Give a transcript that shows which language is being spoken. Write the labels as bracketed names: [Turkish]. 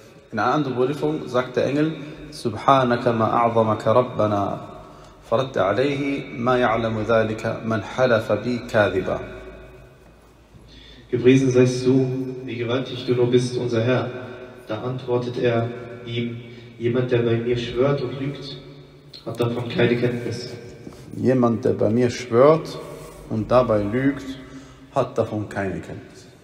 [German] In einer anderen Überlieferung sagt der Engel: [Arabic] Subhanaka ma a'zamaka Rabbana. فرد عليه ما يعلم ذلك من حلف بي كاذبا. [German] Gepriesen seist du, wie gewaltig du nur bist, unser Herr. Da antwortet er ihm: Jemand, der bei mir schwört und lügt, hat davon keine Kenntnis. Jemand, der bei mir schwört und dabei lügt, hat davon keine Kenntnis.